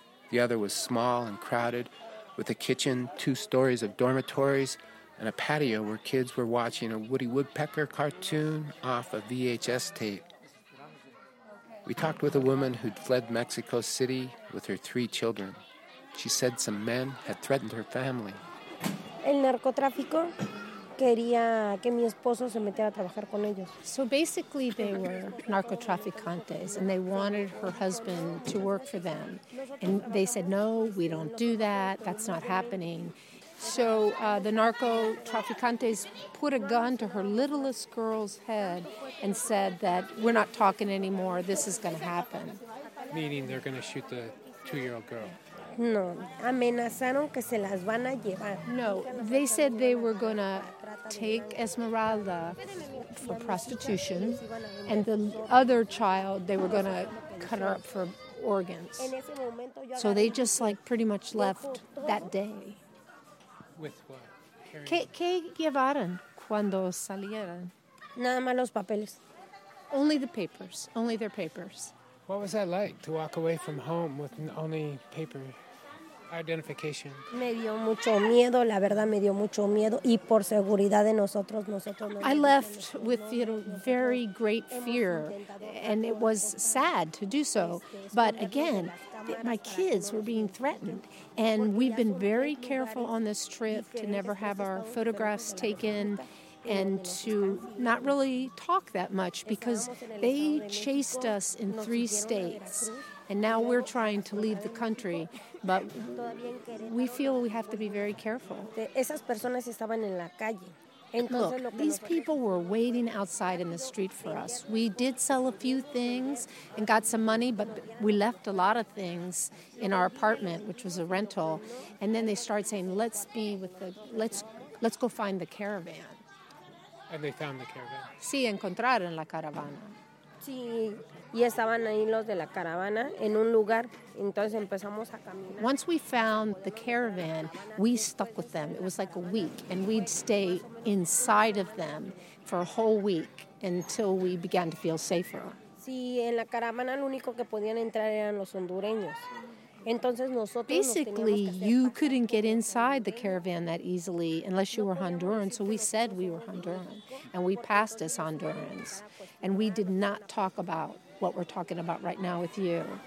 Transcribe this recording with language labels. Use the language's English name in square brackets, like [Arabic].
[English] The other was small and crowded, with a kitchen, two stories of dormitories, and a patio where kids were watching a Woody Woodpecker cartoon off a VHS tape. We talked with a woman who'd fled Mexico City with her three children. She said some men had threatened her family. [Spanish] El narcotráfico quería que mi esposo se metiera a trabajar con ellos. [English] So basically they were narcotraficantes and they wanted her husband to work for them. And they said, no, we don't do that, that's not happening. So the narco traficantes put a gun to her littlest girl's head and said that we're not talking anymore, this is going to happen. Meaning they're going to shoot the two-year-old girl. [Spanish] No, amenazaron que se las van a llevar. [English] No, they said they were going to take Esmeralda for prostitution and the other child they were going to cut her up for organs. So they just like pretty much left that day. With what? [Spanish] ¿Qué llevaron cuando salieron? Nada más los papeles. [English] Only the papers, only their papers. What was that like to walk away from home with only paper identification? [Spanish] Me dio mucho miedo, la verdad me dio mucho miedo y por seguridad de nosotros no. [English] I left with, you know, very great fear and it was sad to do so, but again, my kids were being threatened and we've been very careful on this trip to never have our photographs taken and to not really talk that much because they chased us in three states. And now we're trying to leave the country, but we feel we have to be very careful. [Spanish] Esas personas estaban en la calle. [English] Look, these people were waiting outside in the street for us. We did sell a few things and got some money, but we left a lot of things in our apartment, which was a rental. And then they started saying, let's go find the caravan. And they found the caravan. [Spanish] Sí, encontraron la caravana. Sí, y estaban ahí los de la caravana en un lugar, entonces empezamos a caminar. [English] Once we found the caravan, we stuck with them. It was like a week, and we'd stay inside of them for a whole week until we began to feel safer. [Spanish] Sí, en la caravana lo único que podían entrar eran los hondureños. Entonces nosotros [English] basically, you couldn't get inside the caravan that easily unless you were Honduran, so we said we were Honduran, and we passed as Hondurans, and we did not talk about what we're talking about right now with you.